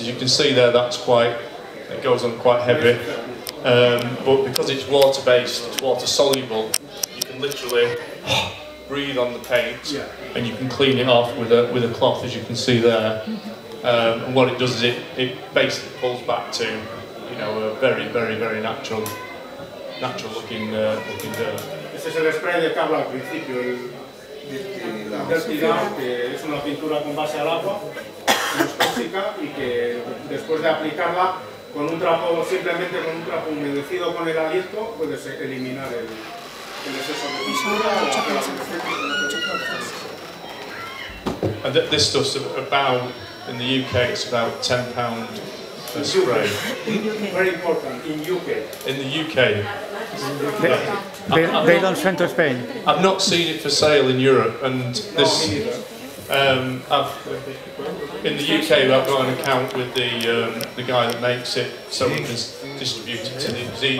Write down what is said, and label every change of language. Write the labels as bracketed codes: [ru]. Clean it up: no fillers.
[en] As you can see there, it goes on quite heavy. But because it's water-based, it's water-soluble, you can literally breathe on the paint and you can clean it off with a cloth, as you can see there. And what it does is it basically pulls back to, you know, a very, very, very natural looking dirt. This is the spray that came at the beginning. [es] Que es una pintura con base al agua, que es tóxica y que después de aplicarla con un trapo, simplemente con un trapo humedecido con el aliento, puedes eliminar el exceso de pintura. Esto es [en] about, in the UK, it's about £10 a spray. Very important, in UK. In the UK. They don't send to Spain. I've not seen it for sale in Europe, and this. In the UK, I've got an account with the guy that makes it, so we can distribute it to New Zealand.